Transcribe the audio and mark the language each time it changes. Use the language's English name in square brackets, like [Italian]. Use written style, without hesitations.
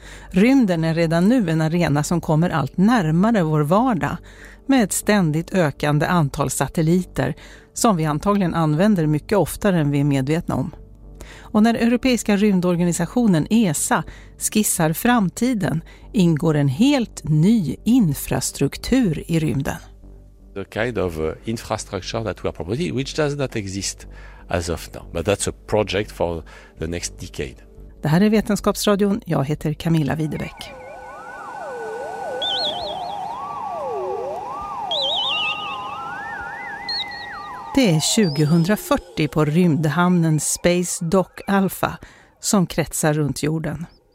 [Swedish] Rymden är redan nu en arena som kommer allt närmare vår vardag med ett ständigt ökande antal satelliter som vi antagligen använder mycket oftare än vi är medvetna om. Och när Europeiska rymdorganisationen ESA skissar framtiden ingår en helt ny infrastruktur i rymden. [English] The kind of infrastructure that we are proposing, which does not exist as of now, but that's a project for the next decade. [Swedish] Det här är Vetenskapsradion. Jag heter Camilla Widerbeck. Det är 2040 på rymdhamnen Space Dock Alpha som kretsar runt jorden.